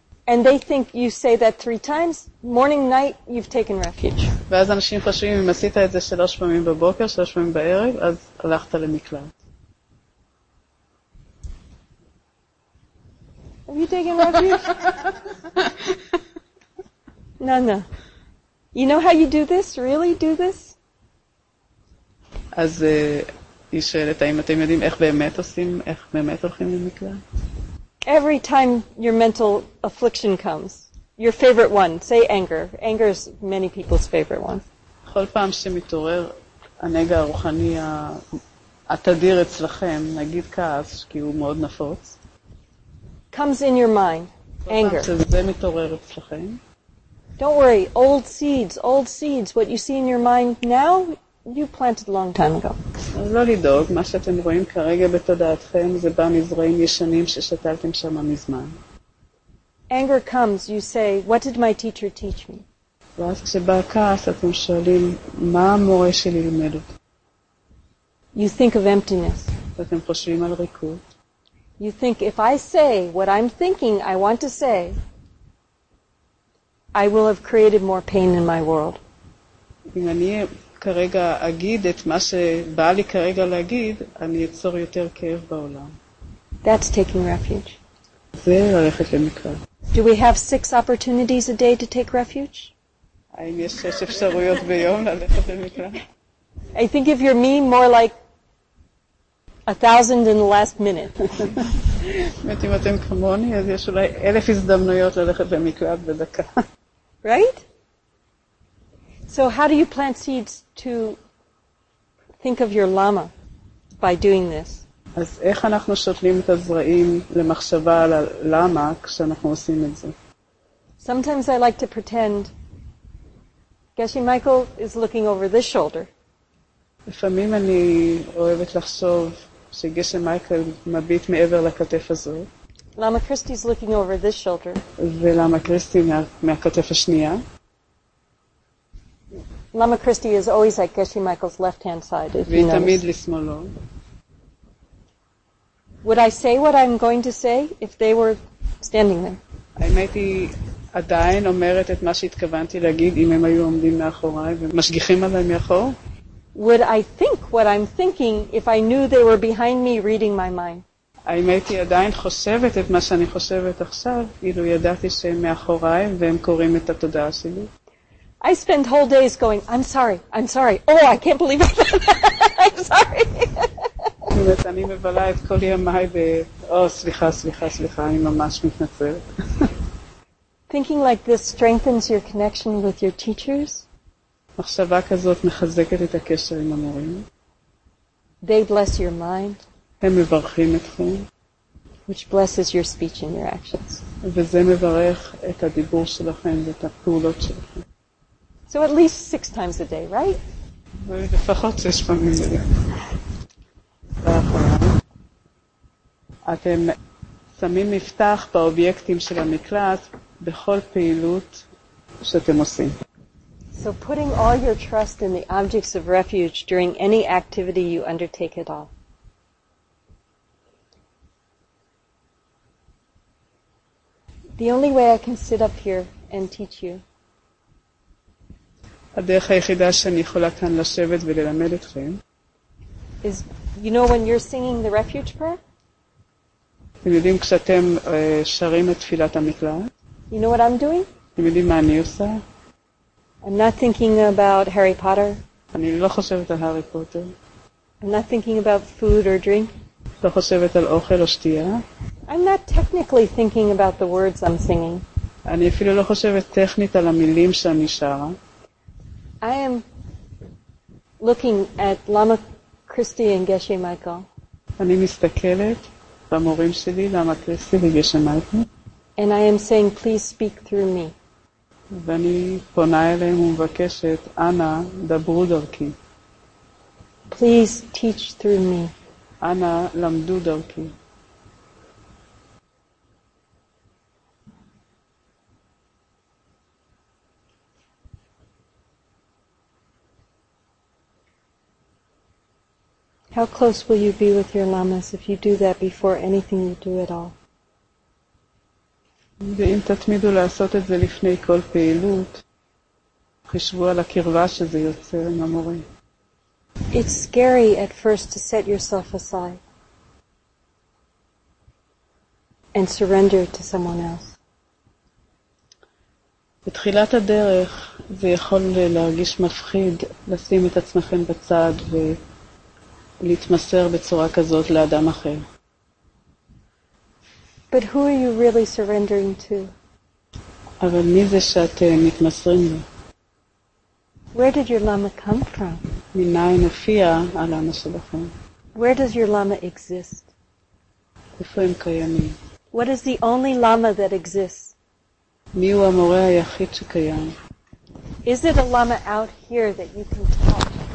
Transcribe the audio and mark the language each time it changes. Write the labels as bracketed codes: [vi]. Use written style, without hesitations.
[en] And they think you say that three times, morning, night, you've taken refuge. [he] ואז אנשים חושבים, אם עשית את זה שלוש פעמים בבוקר, שלוש פעמים בערב, אז הלכת למקלט. [en] Have you taken refuge? No, no. You know how you do this? Really do this? [he] אז היא שואלת, האם אתם יודעים איך באמת עושים, איך באמת הולכים למקלט? [en] Every time your mental affliction comes, your favorite one, say anger. Anger is many people's favorite one. [he] כל פעם שמתעורר הנגע הרוחני התדיר אצלכם, נגיד כעס, כי הוא מאוד נפוץ. [en] Comes in your mind, anger. [he] כל פעם שזה מתעורר אצלכם. [en] Don't worry, old seeds, what you see in your mind now, you planted a long time ago. [he] אז לא לדאוג, מה שאתם רואים כרגע בתודעתכם, זה בא מזרעים ישנים ששתלתם שם מזמן. [en] Anger comes, you say, what did my teacher teach me? [he] ואז כשבא כעס, אתם שואלים, מה המורה שלי לימד אותי? [en] You think of emptiness. [he] ואתם חושבים על ריקות. [en] You think, if I say what I'm thinking I want to say, I will have created more pain in my world. [he] אם אני כרגע אגיד את מה שבא לי כרגע להגיד, אני אצור יותר כאב בעולם. [en] That's taking refuge. [he] זה ללכת למקרה. [en] Do we have 6 opportunities a day to take refuge? [he] האם יש 6 אפשרויות ביום ללכת למקרה? [en] I think if you're me, more like 1,000 in the last minute. [he] באמת, אם אתם כמוני, אז יש אולי 1,000 הזדמנויות ללכת למקרה בדקה. [en] Right? So how do you plant seeds to think of your lama by doing this? [he] אז איך אנחנו שותלים את הזרעים למחשבה על הלמה כשאנחנו עושים את זה? [en] Sometimes I like to pretend Geshe Michael is looking over this shoulder. [he] לפעמים אני אוהבת לחשוב שגשם מייקל מביט מעבר לכתף הזו. [en] Lama Christy is looking over this shoulder. [he] ולמה קריסטי מהכתף השנייה. [en] Lama Christy is always at Geshe Michael's left-hand side, if you notice. [he] ותמיד לשמאלו. [en] Would I say what I'm going to say if they were standing there? [he] הייתי עדיין אומרת את מה שהתכוונתי להגיד אם הם היו עומדים מאחוריי ומשגיחים עליי מאחור? [en] Would I think what I'm thinking if I knew they were behind me reading my mind? [he] הייתי עדיין חושבת את מה שאני חושבת עכשיו אילו ידעתי שהם מאחוריי והם קוראים את התודעה שלי? [en] I spend whole days going, I'm sorry. Oh, I can't believe it. I'm sorry. [he] זאת אני מבלה את כל ימי ב... או, סליחה, אני ממש מתנצלת. [en] Thinking like this strengthens your connection with your teachers? [he] מחשבה כזאת מחזקת את הקשר עם המורים. [en] They bless your mind. [he] הם מברכים אתכם. [en] Which blesses your speech and your actions. [he] וזה מברך את הדיבור שלכם ואת הפעולות שלכם. [en] So at least 6 times a day, right? [he] לפחות 6 פעמים בדיוק. אתם שמים מפתח באובייקטים של המקלט בכל פעילות שאתם עושים. [en] So putting all your trust in the objects of refuge during any activity you undertake at all. The only way I can sit up here and teach you [he] הדרך היחידה שאני יכולה כאן לשבת וללמד אתכם. [en] Is, you know when you're singing the refuge prayer? [he] אתם יודעים כשאתם שרים את תפילת המקלט? [en] You know what I'm doing? [he] אתם יודעים מה אני עושה? [en] I'm not thinking about Harry Potter. [he] אני לא חושבת על הארי פוטר. [en] I'm not thinking about food or drink. [he] לא חושבת על אוכל או שתייה. [en] I'm not technically thinking about the words I'm singing. [he] אני אפילו לא חושבת טכנית על המילים שאני שרה. [en] I am looking at Lama Christy and Geshe Michael. [he] אני מסתכלת במורים שלי, למה קריסטי וגשם מייקל. [en] And I am saying, please speak through me. [he] ואני פונה אליהם ומבקשת, אנא, דברו דרכי. [en] Please teach through me. [he] אנא, למדו דרכי. [en] How close will you be with your lamas if you do that before anything you do at all? [he] ואם תתמידו לעשות את זה לפני כל פעילות, חשבו על הקרבה שזה יוצר עם המורים. [en] It's scary at first to set yourself aside and surrender to someone else. [he] בתחילת הדרך זה יכול להרגיש מפחיד לשים את עצמכם בצד ולהתמסר בצורה כזאת לאדם אחר. [en] But who are you really surrendering to? [he] אבל מי זה שאתם מתמסרים לו? [en] Where did your lama come from? [he] מניין הופיע הלמה שלכם? [en] Where does your lama exist? [he] איפה הם קיימים? [en] What is the only lama that exists? [he] מי הוא המורה היחיד שקיים? [en] Is it a lama out here that you can talk?